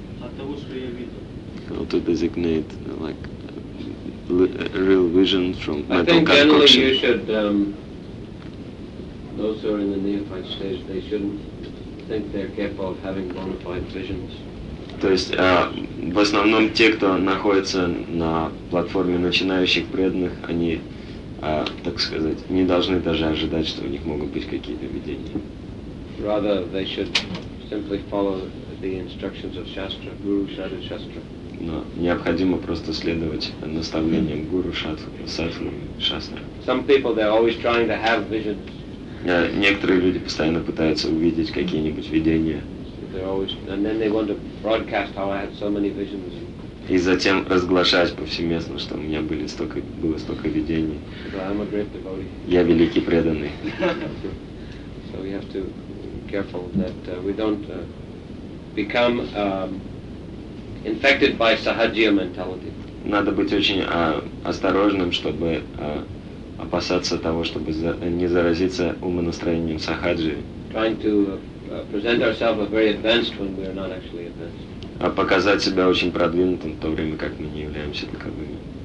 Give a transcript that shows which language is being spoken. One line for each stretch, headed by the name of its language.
English: How to designate like real vision from mental concoction? I think generally you should, those who are in the neophyte stage, they shouldn't think they're capable of having bona fide visions.
Russian: То есть в основном те, кто находится на платформе начинающих преданных, они, так сказать, не должны даже ожидать, что у них могут быть какие-то видения.
English: Rather, they should simply follow the instructions of Shastra, Guru Shadu Shastra.
Russian: Но необходимо просто следовать наставлениям Гуру Шадху Шастра.
English: Some people, they're always trying to have visions.
Russian: Некоторые люди постоянно пытаются увидеть какие-нибудь видения.
English: They're always, and then they want to broadcast how I had so many visions.
Russian: И затем разглашать повсеместно, что у меня были столько, было столько видений.
English: I'm a great devotee.
Russian: Я великий преданный.
English: So we have to be careful that we don't become infected by sahajiya mentality.
Russian: Надо быть очень осторожным, чтобы опасаться того, чтобы не заразиться умонастроением сахаджи.
English: Trying to present ourselves as very advanced when we are not actually advanced.
Russian: А показать себя очень продвинутым в то время, как мы не являемся таковыми.